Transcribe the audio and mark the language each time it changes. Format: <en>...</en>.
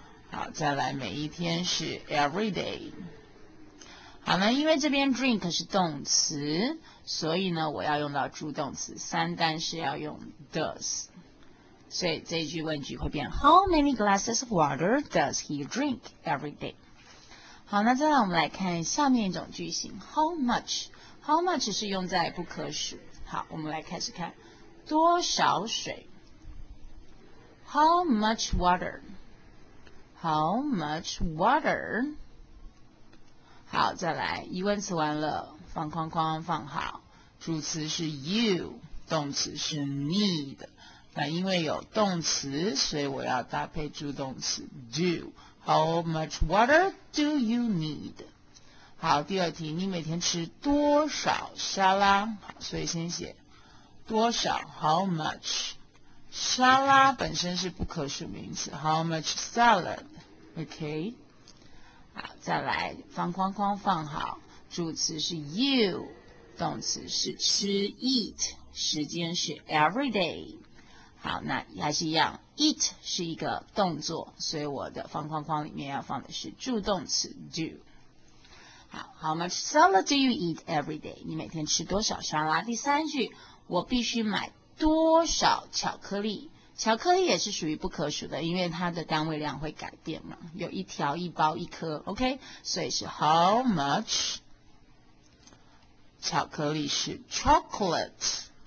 <zh>好，再来，每一天是 every day。好呢，因为这边 drink 是动词，所以呢我要用到助动词，三单是要用 does， 所以这一句问句会变</zh> <en>How many glasses of water does he drink every day？</en> <zh>好，那再来我们来看下面一种句型 How much， How much 是用在不可数。好，我们来开始看多少水， How much water， How much water。好，再来，疑问词完了，放框框，放好。主词是 you， 动词是 need。那因为有动词，所以我要搭配助动词 do。</zh> <en>How much water do you need？</en> <zh>好，第二题，你每天吃多少沙拉？所以先写多少 ，how much。沙拉本身是不可数名词 ，how much salad？OK、okay?。好，再来放框框放好，主词是 you， 动词是吃 eat， 时间是 every day。好，那还是一样， eat 是一个动作，所以我的方框框里面要放的是助动词 do。</zh> <en>好， How much salad do you eat every day？</en> <zh>你每天吃多少沙拉。第三句，我必须买多少巧克力。巧克力也是属于不可数的，因为它的单位量会改变嘛，有一条、一包、一颗 ，OK， 所以是 How much 巧克力是 chocolate。</zh>